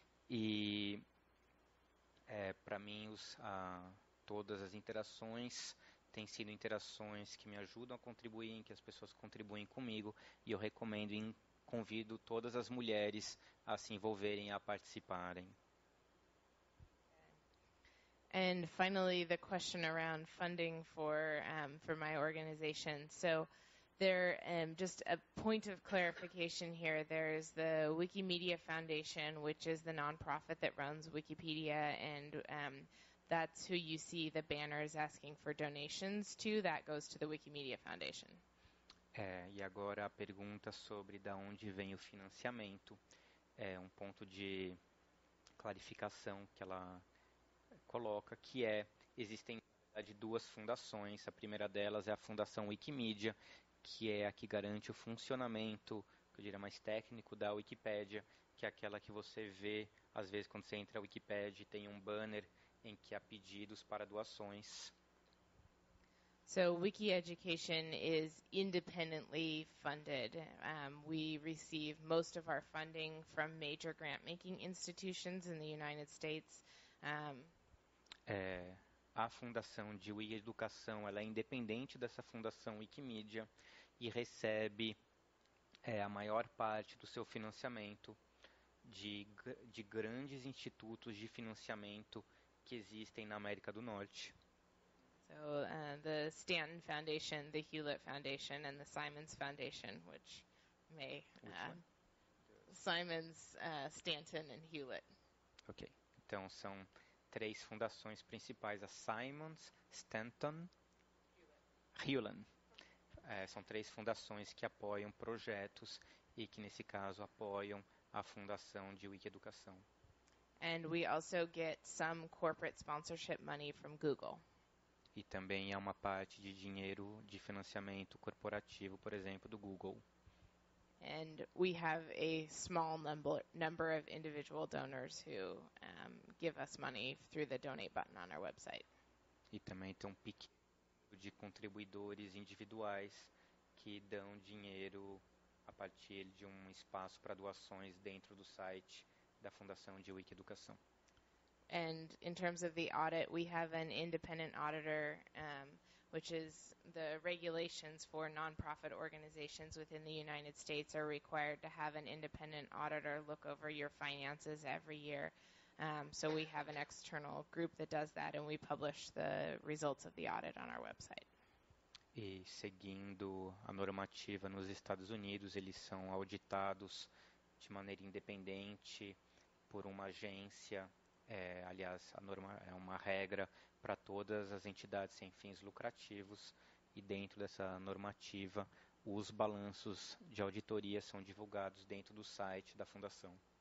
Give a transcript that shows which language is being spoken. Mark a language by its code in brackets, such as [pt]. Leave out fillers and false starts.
[pt] E para mim, todas as interações têm sido interações que me ajudam a contribuir, que as pessoas contribuem comigo, e eu recomendo e convido todas as mulheres a se envolverem, a participarem. [en] And finally, the question around funding for my organization. So there, just a point of clarification here. There's the Wikimedia Foundation, which is the nonprofit that runs Wikipedia, and that's who you see the banners asking for donations to. That goes to the Wikimedia Foundation. [pt] E agora a pergunta sobre da onde vem o financiamento. Um ponto de clarificação que ela coloca, que existem duas fundações. A primeira delas é a Fundação Wikimedia, que é a que garante o funcionamento, que eu diria mais técnico, da Wikipédia, que é aquela que você vê, às vezes, quando você entra na Wikipédia, tem um banner em que há pedidos para doações. [en] So, Wiki Education is independently funded. We receive most of our funding from major grant-making institutions in the United States. [pt] A fundação de Wiki Educação, ela é independente dessa fundação Wikimedia e recebe a maior parte do seu financiamento de grandes institutos de financiamento que existem na América do Norte. [en] So, the Stanton Foundation, the Hewlett Foundation and the Simons Foundation, which may... Simons, Stanton and Hewlett. [pt] Ok. Então, são três fundações principais, a Simons, Stanton, Hewlett. São três fundações que apoiam projetos e que, nesse caso, apoiam a fundação de Wiki Educação. [en] And we also get some corporate sponsorship money from Google. [pt] E também há uma parte de dinheiro de financiamento corporativo, por exemplo, do Google. [en] And we have a small number of individual donors who give us money through the donate button on our website. [pt] E também tem um pequeno de contribuidores individuais que dão dinheiro a partir de um espaço para doações dentro do site da Fundação de Wiki Educação. [en] And in terms of the audit, we have an independent auditor, which is the regulations for nonprofit organizations within the United States are required to have an independent auditor look over your finances every year. So we have an external group that does that, and we publish the results of the audit on our website. [pt] E seguindo a normativa nos Estados Unidos, eles são auditados de maneira independente por uma agência. Aliás, a norma é uma regra para todas as entidades sem fins lucrativos, e dentro dessa normativa, os balanços de auditoria são divulgados dentro do site da fundação.